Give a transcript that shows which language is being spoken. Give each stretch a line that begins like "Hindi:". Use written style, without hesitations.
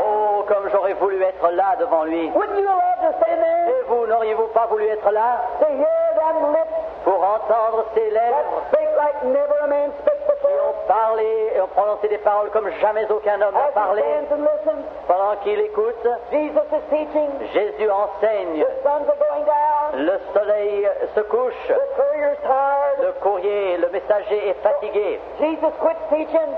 French: Oh, comme j'aurais voulu être là devant lui.
English: Wouldn't you love to stand there?
French: Et vous, n'auriez-vous pas voulu être là?
English: To hear them lips.
French: Pour entendre ses lèvres.
English: That speak like never a man spoke before.
French: Et ont parlé et ont prononcé des paroles comme jamais aucun homme n'a parlé.
English: As he stands and listens.
French: Pendant qu'il écoute.
English: Jesus is teaching.
French: Jésus enseigne.
English: The suns are going down.
French: Le soleil se couche.
English: The courier's tired.
French: Le courrier, le messager est fatigué.
English: Jesus quits teaching.